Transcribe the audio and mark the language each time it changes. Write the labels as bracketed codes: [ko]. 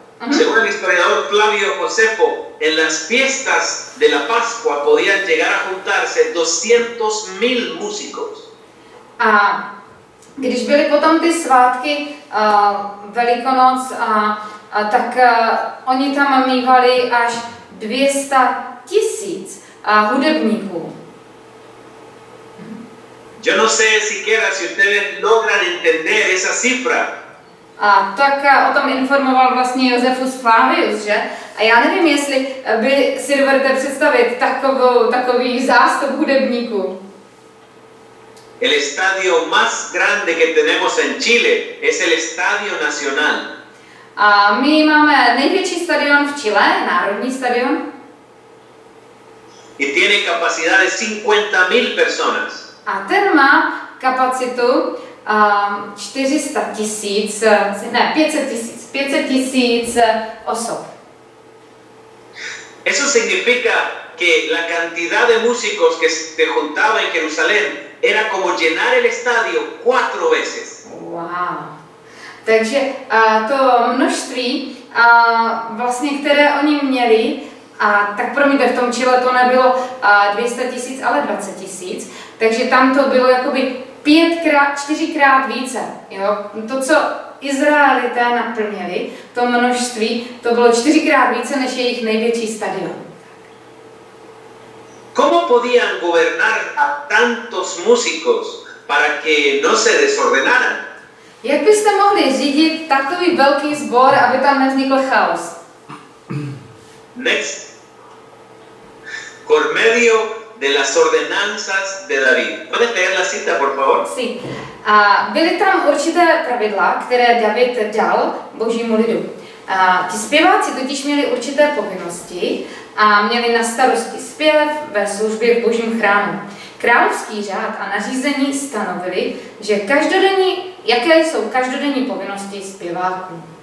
[es] según el historiador Flavio Josefo, en las fiestas de la Pascua podían llegar a juntarse 200.000 músicos. [cs] A když byly potom ty svátky Velikonoc, tak oni tam mívali až 200.000 hudebníků. [es] Yo no sé siquiera si ustedes logran entender esa cifra. [cs] A tak o tom informoval vlastně Josefus Flavius, že? A já nevím, jestli by si dovedete představit takový zástup hudebníků. [es] El estadio más grande que tenemos en Chile es el Estadio Nacional. [cs] A my máme největší stadion v Chile, národní stadion. [es] Y tiene capacidad de 50.000 personas. [cs] A ten má kapacitu 500 tisíc osob. [es] Eso significa que la cantidad de músicos que se juntaba en Jerusalén era como llenar el estadio 4 veces. Wow. [cs] Takže to množství vlastně, které oni měli, a tak promiňte, v tom Chile to nebylo 200 tisíc, ale 20 tisíc, takže tam to bylo jakoby čtyřikrát více, jo? To, co Izraelité naplnili, to množství, to bylo čtyřikrát více než jejich největší stadion. [es] ¿Cómo podían gobernar a tantos músicos para que no se desordenaran? [cs] Jak byste mohli řídit takový velký sbor, aby tam nevznikl chaos? [en] Next. [es] Por medio de las ordenanzas de David. ¿Puedes leer la cita, por favor? Sí. [cs] A byly tam určité pravidla, které David dal Božímu lidu. Ti zpěváci totiž měli určité povinnosti a měli na starosti zpěv ve službě v Božím chrámu. Královský řád a nařízení stanovili, že každodenní, jaké jsou každodenní povinnosti zpěváků.